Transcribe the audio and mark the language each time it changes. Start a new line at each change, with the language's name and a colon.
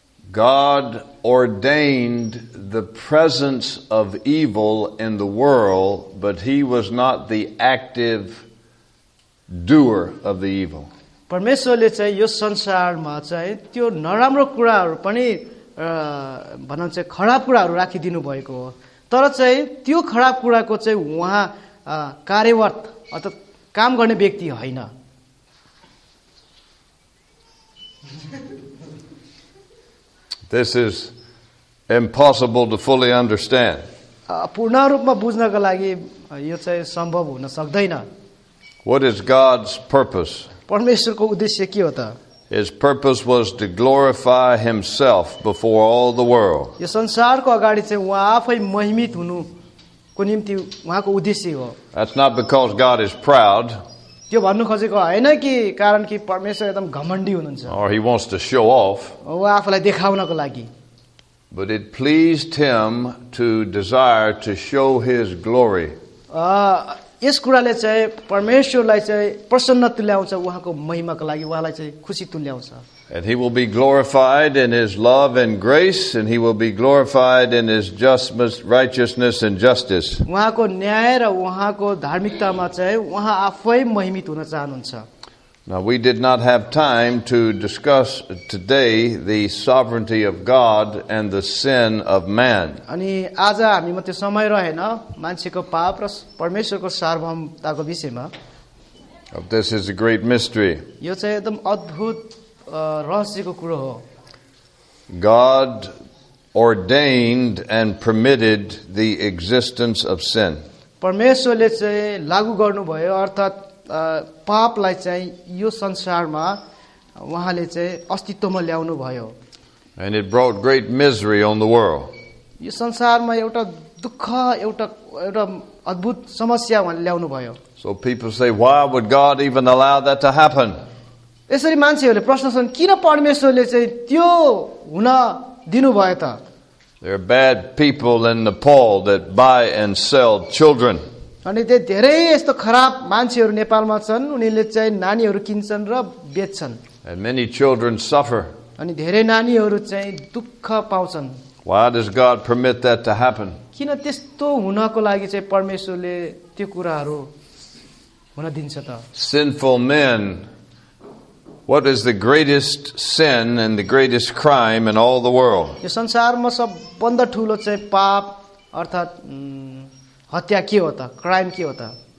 English: God ordained the presence of evil in the world, but he was not the active doer of the evil.
Nepali: परमेश्वरले चाहिँ यो संसारमा चाहिँ त्यो नराम्रो कुराहरु पनि भन्नु चाहिँ खराब कुराहरु राखि दिनु भएको हो तर चाहिँ त्यो खराब कुराको चाहिँ उहाँ कार्यवर्त अर्थात काम गर्ने व्यक्ति हैन.
English: This is impossible to fully understand.
Nepali: पूर्ण रूपमा बुझ्नको लागि यो चाहिँ सम्भव हुन सक्दैन.
English: What is God's purpose?
Nepali: परमेश्वरको उद्देश्य के हो त?
English: His purpose was to glorify himself before all the world.
Nepali: यो संसारको अगाडि चाहिँ उहाँ आफै महिमित हुनुको निम्ति उहाँको उद्देश्य हो.
English: That's not because God is proud.
Nepali: त्यो भन्नु खोजेको हैन कि कारण कि परमेश्वर एकदम घमण्डी हुनुहुन्छ.
English: Or he wants to show off.
Nepali: उहाँ आफूलाई देखाउनको लागि.
English: But it pleased him to desire to show his glory.
Nepali: यस कुराले चाहिँ परमेश्वरलाई चाहिँ प्रसन्न तुल्याउँछ उहाँको महिमाको लागि उहाँलाई चाहिँ खुसी तुल्याउँछ.
English: And he will be glorified in his love and grace, and he will be glorified in his justness, righteousness and justice.
Nepali: उहाँको न्याय र उहाँको धार्मिकतामा चाहिँ उहाँ आफै महिमित हुन चाहनुहुन्छ.
English: Now we did not have time to discuss today the sovereignty of God and the sin of man.
Nepali: अनि आज हामीमा त्यो समय रहेन मान्छेको पाप र परमेश्वरको सार्वभौमताको विषयमा.
English: This is a great mystery.
Nepali: यो चाहिँ एकदम अद्भुत रहस्यको कुरा हो.
English: God ordained and permitted the existence of sin.
Nepali: परमेश्वरले चाहिँ लागू गर्नुभयो अर्थात पापलाई चाहिँ यो संसारमा उहाँले चाहिँ अस्तित्वमा ल्याउनु भयो.
English: And it brought great misery on the world.
Nepali: यो संसारमा एउटा दुःख एउटा अद्भुत समस्या उहाँले ल्याउनु भयो.
English: So people say, why would God even allow that to happen?
Nepali: यसरी मान्छेहरूले प्रश्न गर्छन् किन परमेश्वरले चाहिँ त्यो हुन दिनुभयो त?
English: There are bad people in Nepal that buy and sell children.
Nepali: अनि त्यो धेरै यस्तो खराब मान्छेहरू नेपालमा छन् उनीहरूले चाहिँ नानीहरू किन्छन् र बेच्छन्.
English: And many children suffer.
Nepali: अनि धेरै नानीहरू चाहिँ दुःख पाउँछन्.
English: Why does God permit that to happen?
Nepali: किन त्यस्तो हुनको लागि चाहिँ परमेश्वरले त्यो कुराहरू हुन दिन्छ त?
English: Sinful men, what is the greatest sin and the greatest crime in all the world?
Nepali: यो संसारमा सबभन्दा ठूलो चाहिँ पाप अर्थात हत्या के हो त क्राइम के हो त?